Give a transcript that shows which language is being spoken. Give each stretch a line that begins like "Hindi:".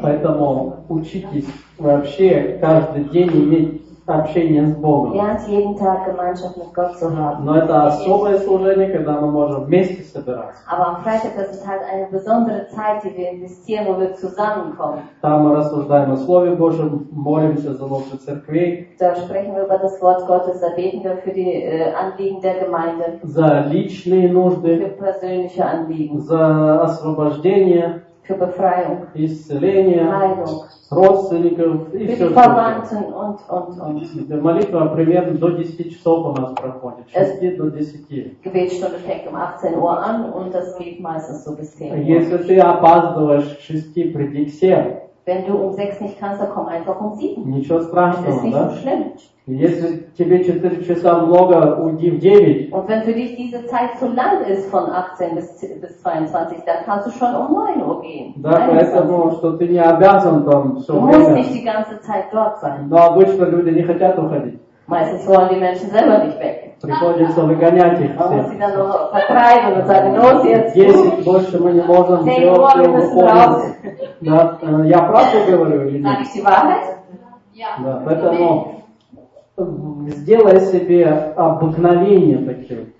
Russian: Поэтому учитесь вообще каждый день иметь общение с Богом.
German: Lernt jeden Tag Gemeinschaft mit Gott zu haben.
Russian: Но это особое служение, когда мы можем вместе собираться.
German: Aber am Freitag das ist halt eine besondere Zeit, die wir investieren, wo wir zusammenkommen.
Russian: Там мы рассуждаем о Слове Божьем, молимся за лучшие церкви.
German: Da sprechen wir über das Wort Gottes, da beten wir für die Anliegen der Gemeinde.
Russian: За личные нужды.
German: Für persönliche Anliegen.
Russian: За освобождение.
German: Für Befreiung.
Russian: Исцеление.
German: Heilung.
Russian: Родственников и все.
German: Verwandten und.
Russian: Молитва примерно до 10 часов у нас проходит. 6 до 10.
German: Gebetsstunde fängt um 18 Uhr an und das geht meistens so bis 10 Uhr.
Russian: Если ты опаздываешь к 6, приди к 7.
German: Wenn du um 6 nicht kannst, dann komm einfach um 7.
Russian: Ничего страшного,
German: ist nicht so schlimm.
Russian: Если тебе 4 часа много, уйди в 9.
German: Und wenn für dich diese Zeit zu lang ist von 18 bis 22, dann kannst du schon um 9 Uhr.
Russian: Да, поэтому, что ты не обязан там все
German: du
Russian: время.
German: Du musst nicht die ganze Zeit dort sein.
Russian: Но обычно люди не хотят уходить.
German: Meistens wollen die Menschen selber nicht weg.
Russian: Приходится выгонять их всех.
German: Man muss sie dann noch vertreiben und sagen, los jetzt.
Russian: 10 больше мы не можем делать, все выполнить. Да, я правду говорю или нет?
German: Sag ich die Wahrheit?
Russian: Да, поэтому сделай себе обыкновение такое.